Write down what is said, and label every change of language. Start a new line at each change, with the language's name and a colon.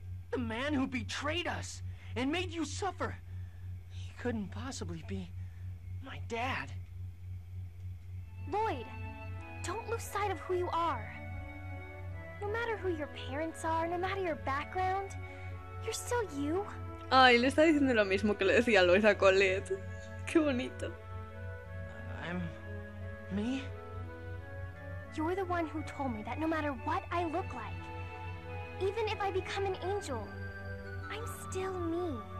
English: The man who betrayed us and made you suffer. He couldn't possibly be my dad. Lloyd! Don't lose sight of who you are. No matter who your parents are, no matter your background, you're still you.
Spanish: Ay, le está diciendo lo mismo que le decía Lloyd a Colette. Qué bonito.
English: I'm me. You're the one who told me that no matter what I look like, even if I become an angel, I'm still me.